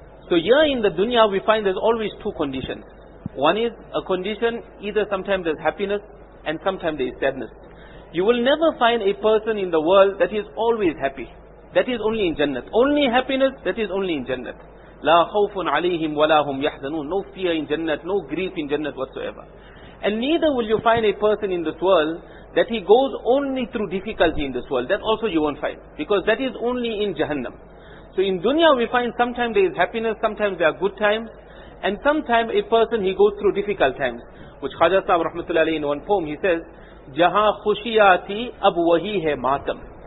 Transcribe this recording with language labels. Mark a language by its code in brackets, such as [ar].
[en] So here in the dunya we find there's always two conditions. One is a condition, either sometimes there's happiness and sometimes there is sadness. You will never find a person in the world that is always happy. That is only in Jannah. Only happiness, that is only in Jannah. [ar] لا خوف عليهم ولا هم يحزنون. [en] No fear in Jannah, no grief in Jannah whatsoever. And neither will you find a person in this world that he goes only through difficulty in this world. That also you won't find. Because that is only in Jahannam. So in dunya we find sometimes there is happiness, sometimes there are good times. And sometimes a person he goes through difficult times. Which Khaja Sahib rahmatullahi alayhi in one poem he says, [ur] جَهَا خُشِيَاتِ أَبْ وَهِي هَي مَاتَمْ.